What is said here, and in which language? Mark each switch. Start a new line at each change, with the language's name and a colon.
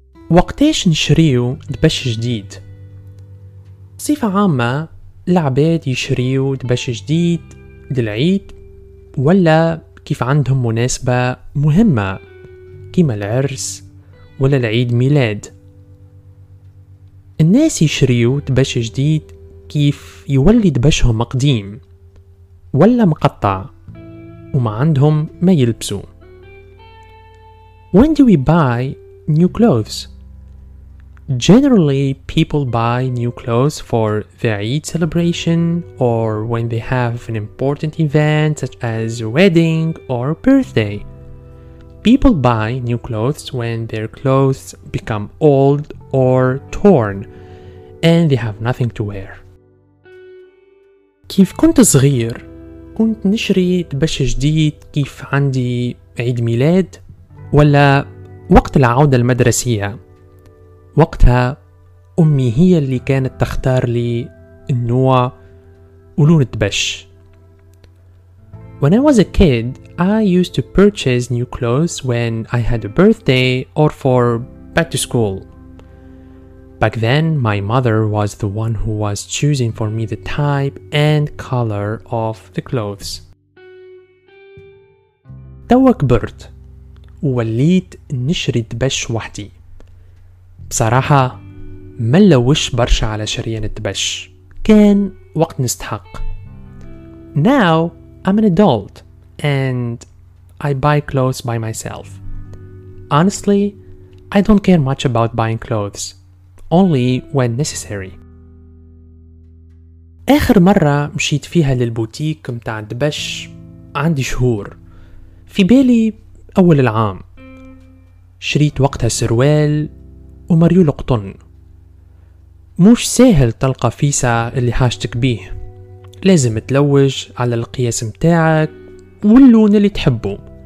Arabic: وقتاش نشريو دبش جديد؟ صفة عامة العباد يشريو دبش جديد للعيد ولا كيف عندهم مناسبة مهمة كيما العرس ولا العيد ميلاد. الناس يشريو دبش جديد كيف يولي دبشهم قديم ولا مقطع وما عندهم ما يلبسوا.
English: When do we buy new clothes? Generally, people buy new clothes for the Eid celebration or when they have an important event such as a wedding or birthday. People buy new clothes when their clothes become old or torn and they have nothing to wear.
Arabic: كيف كنت صغير كنت نشري دبش جديد كيف عندي عيد ميلاد ولا وقت العودة المدرسية. وقتها أمي هي اللي كانت تختار لي النوع ولون الدبش.
English: When I was a kid, I used to purchase new clothes when I had a birthday or for back to school. Back then, my mother was the one who was choosing for me the type and color of the clothes.
Arabic: توا كبرت ووليت نشري دبش وحدي. بصراحة ما لوش برشا على شريان الدبش، كان وقت نستحق.
English: Now I'm an adult and I buy clothes by myself. Honestly, I don't care much about buying clothes, only when necessary.
Arabic: آخر مرة مشيت فيها للبوتيك متاع الدبش عندي شهور، في بالي أول العام. شريت وقتها سروال ومريول قطن. مش سهل تلقى فيسة اللي حاجتك بيه، لازم تلوج على القياس متاعك واللون اللي تحبه.